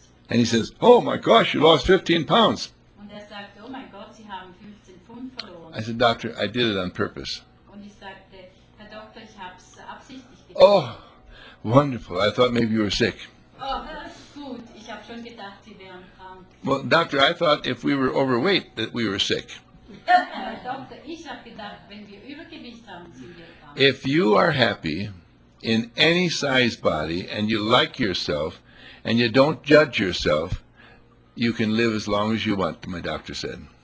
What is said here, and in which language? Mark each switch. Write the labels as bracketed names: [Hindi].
[English] And he says, oh my gosh, you lost 15 pounds. [German] Und er sagt, oh mein Gott, Sie haben 15 Pfund verloren. [English] I said, doctor, I did it on purpose. [German] Und ich sagte, Herr Doktor, ich hab's absichtlich getan. [English] Oh, wonderful. I thought maybe you were sick. Oh, that's good. [German] Ich hab schon gedacht, Sie wären krank. [English] Well, doctor, I thought if we were overweight, that we were sick. [German] Doctor, ich hab gedacht, wenn wir Übergewicht haben, sind wir krank. [English] If you are happy in any size body and you like yourself, and you don't judge yourself, you can live as long as you want, my doctor said.